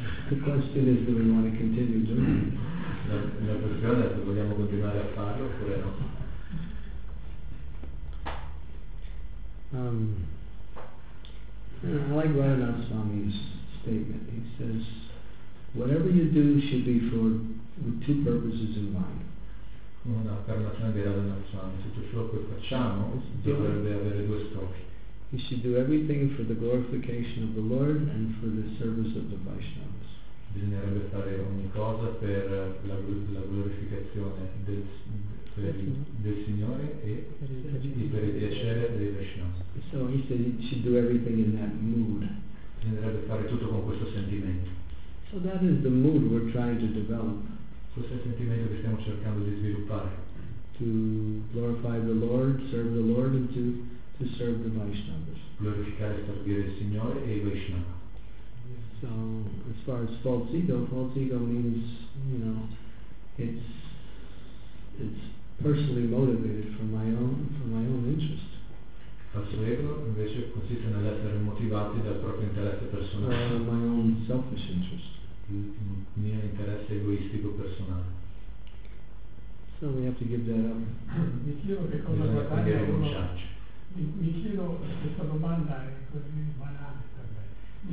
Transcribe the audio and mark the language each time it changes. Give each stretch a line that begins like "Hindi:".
English: The question is, do we want to continue doing it?
Italian: La questione è se vogliamo continuare a farlo oppure no.
English: I like Radhanath Swami's statement. He says, whatever you do should be for with two purposes in mind.
Italian: Una affermazione di Radha Narasana, se tutto ciò che facciamo dovrebbe avere due scopi.
English: He should do everything for the glorification of the Lord and for the service of the Vaishnavas.
Italian: Bisognerebbe fare ogni cosa per la glorificazione del Signore e per il piacere dei Vaishnavas.
English: So he said he should do everything in that mood.
Italian: Bisognerebbe fare tutto con questo sentimento.
English: So that is the mood we're trying to develop.
Italian: Questo è il sentimento che stiamo cercando di sviluppare.
English: To glorify the Lord, serve the Lord, and to serve the Vaishnavas.
Italian: Glorificare e servire il Signore e i Vaishnava.
English: So, as far as false ego means, you know, it's personally motivated for my own interest.
Italian: Falso ego invece consiste nell'essere motivati dal proprio interesse personale.
English: For my own selfish interest.
Italian: Mio interesse egoistico personale.
English: So we have to give that up.
Italian: Mi chiedo che cosa bisogna guardare uno. Mi chiedo, questa domanda è così banale per me.